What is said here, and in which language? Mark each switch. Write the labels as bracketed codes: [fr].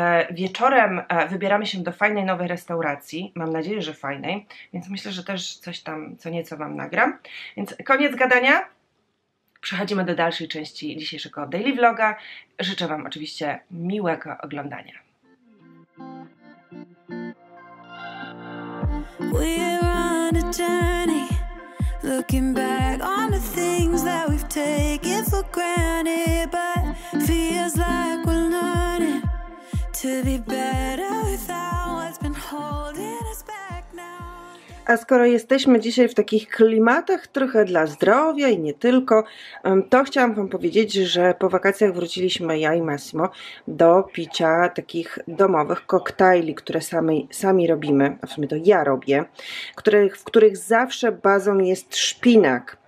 [pl] Wieczorem wybieramy się do fajnej nowej restauracji, mam nadzieję, że fajnej, więc myślę, że też coś tam co nieco Wam nagram. Więc koniec gadania. Przechodzimy do dalszej części dzisiejszego Daily Vloga. Życzę Wam oczywiście miłego oglądania. [en] We're on a journey, looking back on the things that we've taken for granted, but feels like we're learning to be better without what's been holding us back. [pl] A skoro jesteśmy dzisiaj w takich klimatach trochę dla zdrowia i nie tylko, to chciałam Wam powiedzieć, że po wakacjach wróciliśmy ja i Massimo do picia takich domowych koktajli, które sami robimy, a w sumie to ja robię, w których zawsze bazą jest szpinak.